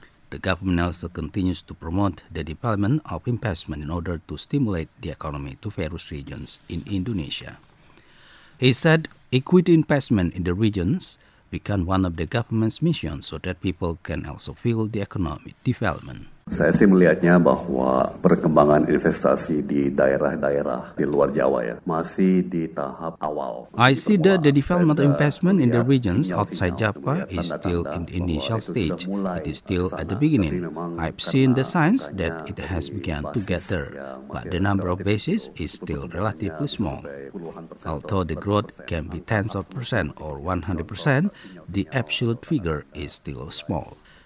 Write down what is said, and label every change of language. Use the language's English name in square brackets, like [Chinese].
[English] The government also continues to promote the development of investment in order to stimulate the economy to various regions in Indonesia. He said equity investment in the regions become one of the government's missions so that people can also feel the economic development. [Indonesian] Saya sih melihatnya bahwa perkembangan investasi di daerah-daerah di luar Jawa ya masih di tahap awal. [English] I see that the development investment in the regions outside Java is still in the initial stage. It is still at the beginning. I've seen the signs that it has begun to get there, but the number of bases is still relatively small. Although the growth can be tens of percent or 100%, the absolute figure is still small.